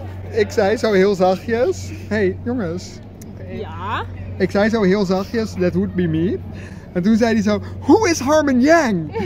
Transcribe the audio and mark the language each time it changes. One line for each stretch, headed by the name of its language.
Dutch: Ik zei zo heel zachtjes, hey jongens. Okay. Ja? Ik zei zo heel zachtjes,
English: that would be me.
Dutch: En toen zei hij zo,
English: who is Harmon Yang?